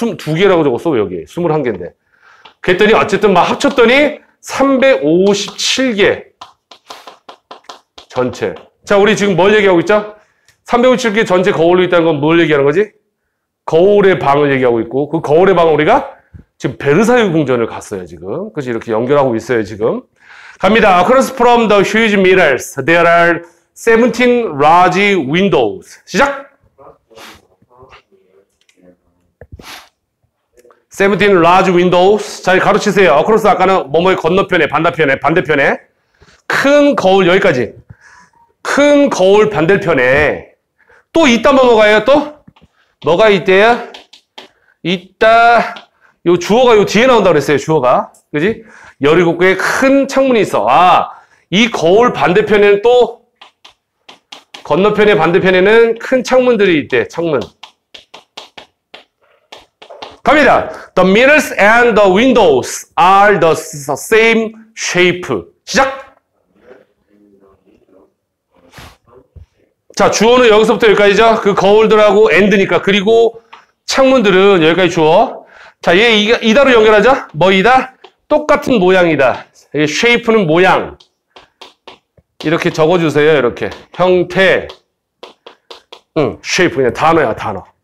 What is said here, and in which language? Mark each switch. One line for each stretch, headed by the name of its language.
Korean: 두 개라고 적었어, 여기. 21개인데. 그랬더니, 어쨌든 막 합쳤더니, 357개. 전체. 자, 우리 지금 뭘 얘기하고 있죠? 357개 전체 거울로 있다는 건 뭘 얘기하는 거지? 거울의 방을 얘기하고 있고, 그 거울의 방을 우리가 지금 베르사유 궁전을 갔어요, 지금. 그치? 이렇게 연결하고 있어요, 지금. 갑니다.
English: Across from the huge mirrors, there are 17 large windows.
Korean: 시작!
English: 17 large windows.
Korean: 자, 가르치세요. Across, 아까는 뭐뭐의 건너편에, 반대편에, 반대편에. 큰 거울, 여기까지. 큰 거울 반대편에. 또 이따 뭐뭐가 해요, 또? 뭐가 있대요? 이따, 요 주어가 요 뒤에 나온다고 그랬어요, 주어가. 그지? 17개의 큰 창문이 있어. 아, 이 거울 반대편에는 또, 건너편의 반대편에는 큰 창문들이 있대, 창문. 갑니다.
English: The mirrors and the windows are the same shape.
Korean: 시작! 자, 주어는 여기서부터 여기까지죠? 그 거울들하고 end니까. 그리고 창문들은 여기까지 주어. 자, 얘 이다로 연결하죠? 뭐 이다? 똑같은 모양이다. 이게 shape는 모양. 이렇게 적어주세요. 이렇게. 형태. 응, shape. 그냥 단어야, 단어.